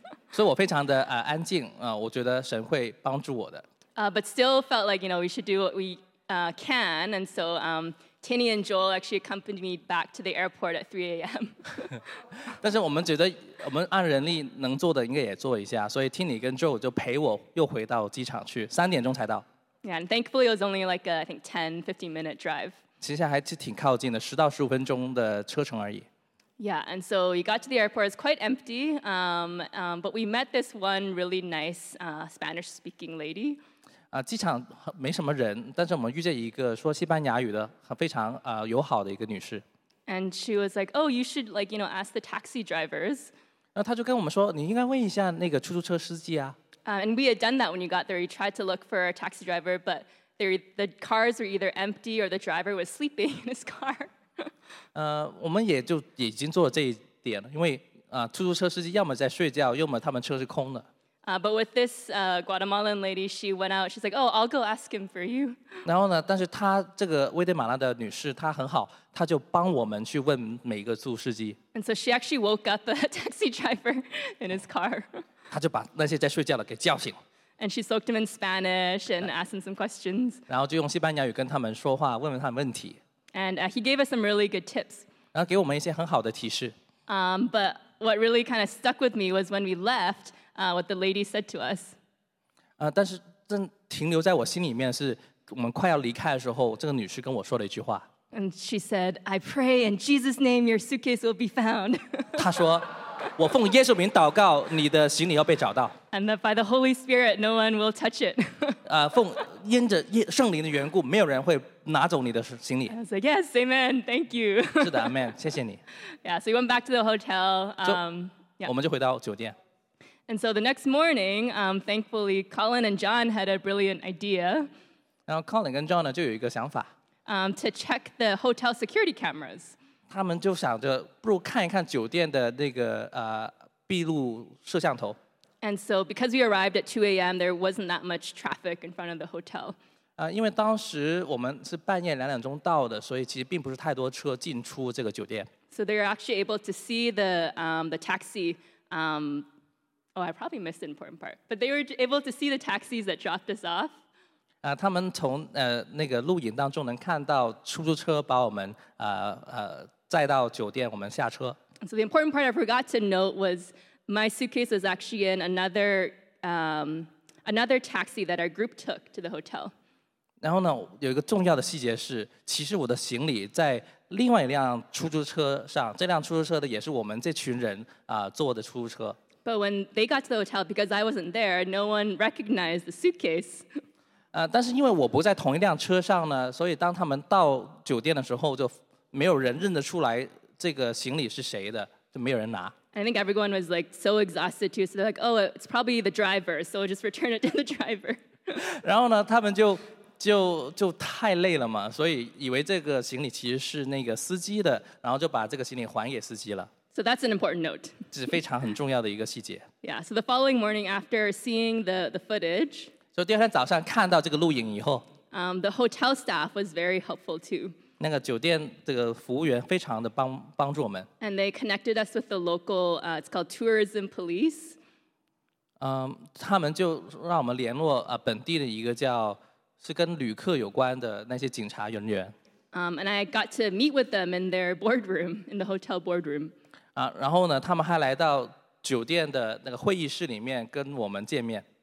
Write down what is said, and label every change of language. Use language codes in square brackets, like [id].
[zh] 所以我非常的安静，我觉得神会帮助我的。 [en] But still felt like, you know, we should do what we can. And so Tinny and Joel actually accompanied me back to the airport at 3 a.m. [zh] 但是我们觉得我们按人力能做的应该也做一下，所以Tinny跟Joel就陪我又回到机场去，3点钟才到。 [en] Yeah, and thankfully it was only like a, I think, 10, 15-minute drive. [zh] 其实还是挺靠近的，10到15分钟的车程而已。 [en] Yeah, and so we got to the airport, it was quite empty, but we met this one really nice Spanish-speaking lady. [zh] 机场没什么人，但是我们遇见一个说西班牙语的，非常友好的一个女士。 [en] And she was like, oh, you should, like, you know, ask the taxi drivers. [zh] 然后她就跟我们说，你应该问一下那个出租车司机啊。 [en] And we had done that when you got there. We tried to look for a taxi driver, but the cars were either empty or the driver was sleeping in his car. [zh] 我们也就已经做了这一点了，因为出租车司机要么在睡觉，要么他们车是空的。 [en] But with this Guatemalan lady, she went out. She's like, oh, I'll go ask him for you. [zh] 然后呢，但是她这个危地马拉的女士，她很好，她就帮我们去问每一个出租司机。 [en] And so she actually woke up the taxi driver in his car. [zh] 她就把那些在睡觉的给叫醒。 [en] And she spoke to him in Spanish and asked him some questions. [zh] 然后就用西班牙语跟他们说话，问问他们问题。 [en] And he gave us some really good tips. [zh] 然后给我们一些很好的提示。 [en] But what really kind of stuck with me was when we left, what the lady said to us. [zh] 但是停留在我心里面是我们快要离开的时候，这个女士跟我说了一句话。 [en] And she said, I pray in Jesus' name your suitcase will be found. [zh] 她说，我奉耶稣名祷告，你的行李要被找到。 [en] And that by the Holy Spirit, no one will touch it. [zh] 奉圣灵的缘故，没有人会拿走你的行李。 [en] I was like, yes, amen, thank you. [zh] 是的, amen, 谢谢你。 [en] Yeah, so we went back to the hotel. Yeah. [zh] 我们就回到酒店。 [en] And so the next morning, thankfully, Colin and John had a brilliant idea. To check the hotel security cameras. [zh] 他们就想着不如看一看酒店的那个闭路摄像头。 [en] And so because we arrived at 2 a.m., there wasn't that much traffic in front of the hotel. [zh] 因为当时我们是半夜两点钟到的，所以其实并不是太多车进出这个酒店。 [en] So they're actually able to see the taxi. I probably missed an important part. But they were able to see the taxis that dropped us off. [zh] 他们从那个录影当中能看到出租车把我们载到酒店，我们下车。 [en] So the important part I forgot to note was my suitcase was actually in another taxi that our group took to the hotel. [zh] 然后呢，有一个重要的细节是，其实我的行李在另外一辆出租车上，这辆出租车的也是我们这群人坐的出租车。 [en] But when they got to the hotel, because I wasn't there, no one recognized the suitcase. [zh] 但是因为我不在同一辆车上呢，所以当他们到酒店的时候，就没有人认得出来这个行李是谁的，就没有人拿。 [en] I think everyone was like so exhausted too, so they're like, oh, it's probably the driver, so we'll just return it to the driver. [zh] 然后呢，他们就太累了嘛，所以以为这个行李其实是那个司机的，然后就把这个行李还给司机了。 [en] So that's an important note. [zh] 这是非常很重要的一个细节。 [en] Yeah, so the following morning after seeing the footage, [zh] 就第二天早上看到这个录影以后, [en] the hotel staff was very helpful too. [zh] 那个酒店这个服务员非常的帮助我们。 [en] And they connected us with the local, it's called Tourism Police. [zh] 他们就让我们联络, 本地的一个叫, 是跟旅客有关的那些警察人员。 [en] And I got to meet with them in their boardroom, in the hotel boardroom. [zh] 然后呢, 他们还来到酒店的那个会议室里面跟我们见面。